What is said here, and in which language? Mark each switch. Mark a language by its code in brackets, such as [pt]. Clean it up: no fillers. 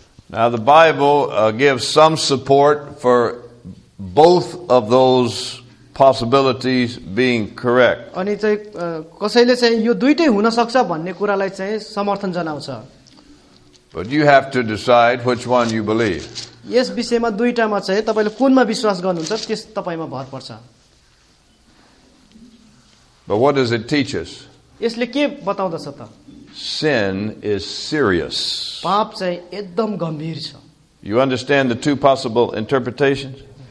[en] Now the Bible gives some support for both of those possibilities being correct. [ne] अनि चाहिँ कसैले चाहिँ यो दुईटै हुन सक्छ भन्ने कुरालाई चाहिँ समर्थन जनाउँछ. [en] But you have to decide which one you believe. [ne] यस विषयमा दुईटामा चाहिँ तपाईले कुनमा विश्वास गर्नुहुन्छ त्यस तपाईमा भर पर्छ. [en] But what does it teach us? [ne] यसले के बताउँदछ त? [en] Sin is serious. [ne] पाप चाहिँ एकदम गम्भीर छ. [en] You understand the two possible interpretations?